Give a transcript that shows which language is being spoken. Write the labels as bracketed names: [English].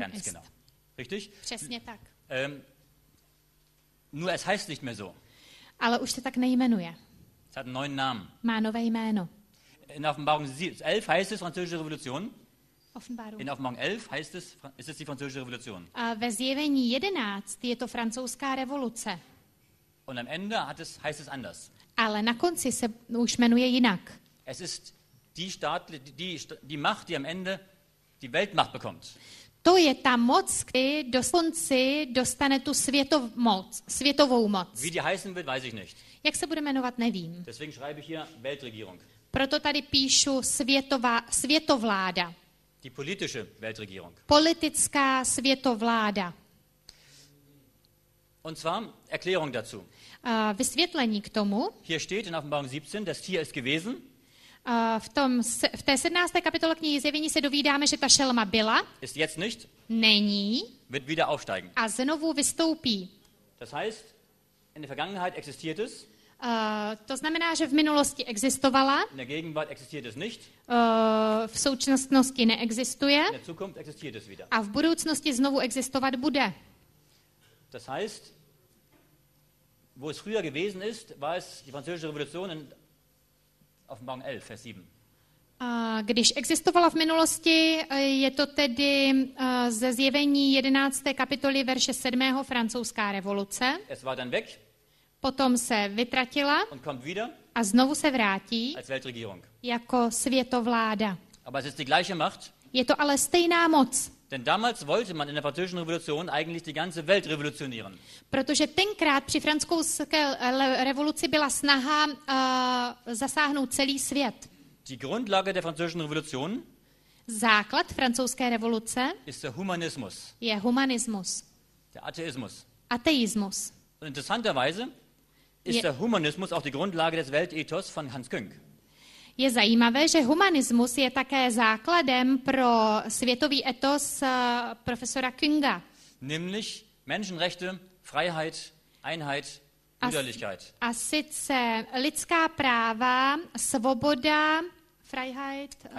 [German] ist. Ganz genau. Richtig? [Czech] Přesně tak. [German] Nur es heißt nicht mehr so. [Czech] Ale už se tak nejmenuje. [German] Es hat einen neuen Namen. [Czech] Má nové jméno. [German] In Offenbarung 11 heißt es französische Revolution. Offenbarung. In Offenbarung 11 heißt es, ist es die französische Revolution. [Czech] A ve Zjevení 11 je to francouzská revoluce. [German] Und am Ende hat es, heißt es anders. [Czech] Ale na konci se už jmenuje jinak. [German] Es ist die Staat, die Macht, die am Ende die Weltmacht bekommt. [Czech] To je ta moc, kdy do konci dostane tu světovou moc. [German] Wie die heißen wird, weiß ich nicht. [Czech] Jak se bude jmenovat, nevím. [German] Deswegen schreibe ich hier Weltregierung. [Czech] Proto tady píšu světovláda. [German] Die politische Weltregierung. [Czech] Politická světovláda. [German] Und zwar Erklärung dazu. [Czech] Vysvětlení k tomu. [German] Hier steht in Offenbarung 17, das Tier ist gewesen. [Czech] V té 17. kapitole knihy Zjevení se dovídáme, že ta šelma byla. [German] Ist jetzt nicht. [Czech] Není. [German] Wird wieder aufsteigen. [Czech] A znovu vystoupí. [German] Das heißt, in der Vergangenheit existiert es. [Czech] To znamená, že v minulosti existovala. [German] In der Gegenwart existiert es nicht. [Czech] V současnosti neexistuje. [German] In der Zukunft existiert es wieder. [Czech] A v budoucnosti znovu existovat bude. [German] Das heißt, wo es früher gewesen ist, war es die französische Revolution in Offenbarung 11, Vers 7. [Czech] Když existovala v minulosti, je to tedy ze Zjevení 11. kapitoly verše 7. francouzská revoluce. [German] Es war dann weg. [Czech] Potom se vytratila [German] und kommt wieder [Czech] a znovu se vrátí [German] als Weltregierung. [Czech] Jako světovláda. [German] Aber es ist die gleiche Macht. [Czech] Je to ale stejná moc. [German] Denn damals wollte man in der französischen Revolution eigentlich die ganze Welt revolutionieren. [Czech] Protože tenkrát při francouzské revoluci byla snaha zasáhnout celý svět. [German] Die Grundlage der französischen Revolution. [Czech] Základ francouzské revoluce. [German] Ist der Humanismus. [Czech] Je humanismus. [German] Der Atheismus. [Czech] Ateismus. [German] Und interessanterweise ist der Humanismus auch die Grundlage des Weltethos von Hans Küng. [Czech] Je zajímavé, že humanismus je také základem pro světový etos profesora Künga. [German] Nämlich Menschenrechte, Freiheit, Einheit, Brüderlichkeit. [Czech] A sice lidská práva, svoboda, Freiheit,